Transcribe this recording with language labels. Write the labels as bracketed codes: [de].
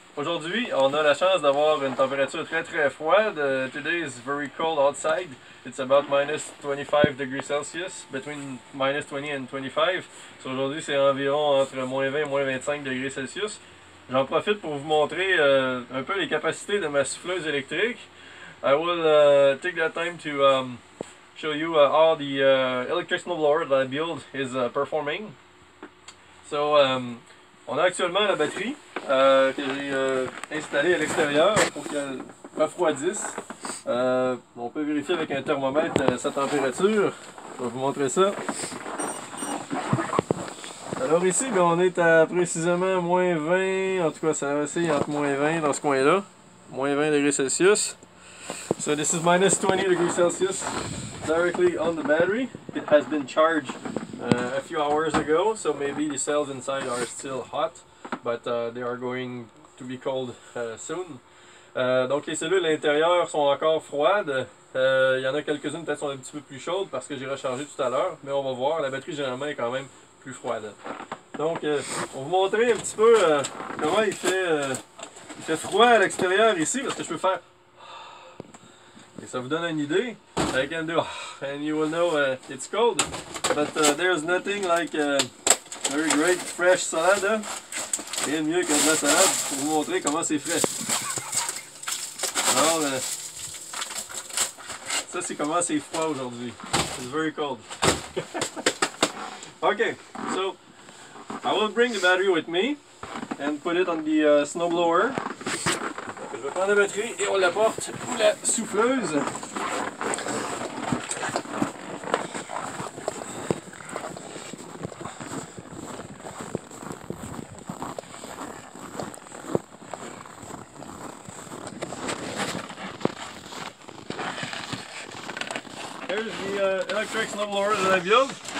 [fr] Aujourd'hui, on a la chance d'avoir une température très très froide. [en] Today is very cold outside. It's about minus 25 degrees Celsius, between minus 20 and 25. So [fr] aujourd'hui, c'est environ entre moins 20 et moins 25 degrés Celsius. J'en profite pour vous montrer un peu les capacités de ma souffleuse électrique. [en] I will take that time to show you how the electric snowblower that I build is performing. [fr] So, on a actuellement la batterie que j'ai installée à l'extérieur pour qu'elle refroidisse. On peut vérifier avec un thermomètre sa température. Je vais vous montrer ça. Alors ici, bien, on est à précisément moins 20, en tout cas ça va essayer entre moins 20 dans ce coin-là. Moins 20 degrés Celsius. [en] So this is minus 20 degrees Celsius directly on the battery. It has been charged a few hours ago, so maybe the cells inside are still hot, but they are going to be cold soon. [fr] Donc les cellules à l'intérieur sont encore froides. Il y en a quelques-unes peut-être sont un petit peu plus chaudes parce que j'ai rechargé tout à l'heure, mais on va voir. La batterie généralement est quand même plus froide. Donc on va vous montrer un petit peu comment il fait froid à l'extérieur ici, parce que je peux faire. Et ça vous donne une idée. [en] I can do, and you will know it's cold. But there's nothing like a very great fresh salad. [fr] Rien de mieux que de la salade pour vous montrer comment c'est frais. Alors, ça c'est comment c'est froid aujourd'hui. [en] It's very cold. Okay, so I will bring the battery with me and put it on the snowblower. [fr] Je vais prendre la batterie et on la porte pour la souffleuse. [en] Here's the electric snowblower that I built.